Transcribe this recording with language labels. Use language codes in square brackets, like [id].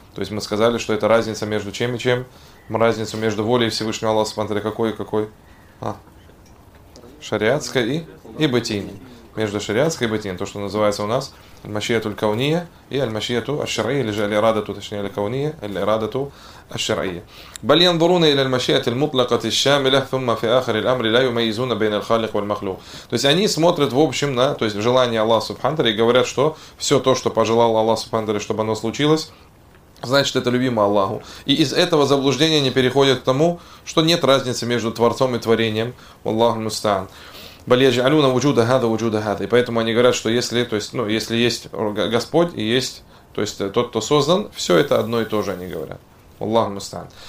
[ru] То есть мы сказали, что это разница между чем и чем, разница между волей Всевышнего Аллаха Субханта ли, какой и какой? А? Шариатская и бытийная. Между шариатской и бытием, то, что называется у нас аль-машиату аль-кауния и аль-машиату аш-шарии, или же аль-ирадату, точнее, аль-кауния, аль-ирадату аш-шарии. [ar] بل ينظرون الى المشيئه المطلقه الشامله ثم في اخر الامر لا يميزون بين الخالق والمخلوق. [ru] То есть они смотрят в общем на, то есть желание Аллаха Субхана и говорят, что все то, что пожелал Аллах Субхана, чтобы оно случилось, значит, это любимо Аллаху. И из этого заблуждения они переходят к тому, что нет разницы между творцом и творением. Аллаху мустаан. [ar] Балиджалюна вуджуда хада вуджуда хада. [ru] И поэтому они говорят, что если, то есть, ну, если есть Господь и есть, то есть тот, кто создан, все это одно и то же, они говорят. Аллаху мустаан.